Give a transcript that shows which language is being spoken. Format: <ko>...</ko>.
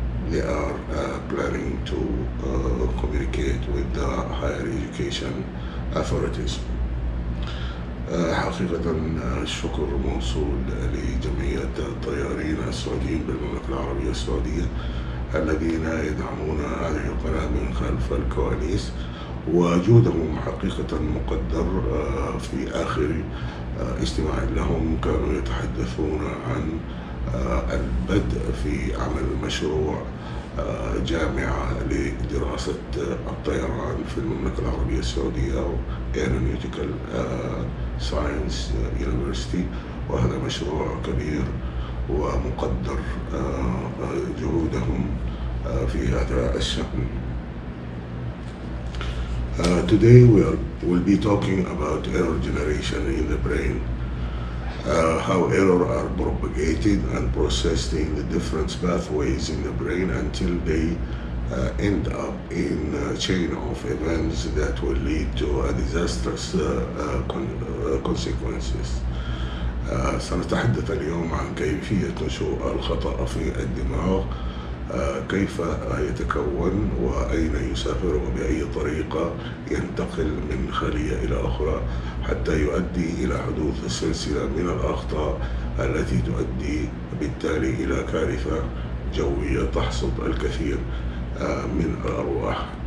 <en>They are planning to communicate with the higher education authorities.</en> <ar>حقيقة الشكر موصول لجمعية الطيارين السعوديين بالمملكة العربية السعودية الذين يدعمون هذه القناة من خلف الكواليس، وجودهم حقيقة مقدر. في آخر اجتماع لهم كانوا يتحدثون عن البدء في عمل مشروع جامعة لدراسة الطيران في المملكة العربية السعودية، Aeronautical Science University، وهذا مشروع كبير ومقدر جهودهم في هذا الشأن.</ar> <en>Today we will be talking about error generation in the brain. How errors are propagated and processed in the different pathways in the brain until they end up in a chain of events that will lead to a disastrous consequences.</en> <ar>سنتحدث اليوم عن كيفية نشوء الخطأ في الدماغ، كيف يتكون وأين يسافر وبأي طريقة ينتقل من خلية إلى أخرى حتى يؤدي إلى حدوث سلسلة من الأخطاء التي تؤدي بالتالي إلى كارثة جوية تحصد الكثير من الأرواح.</ar>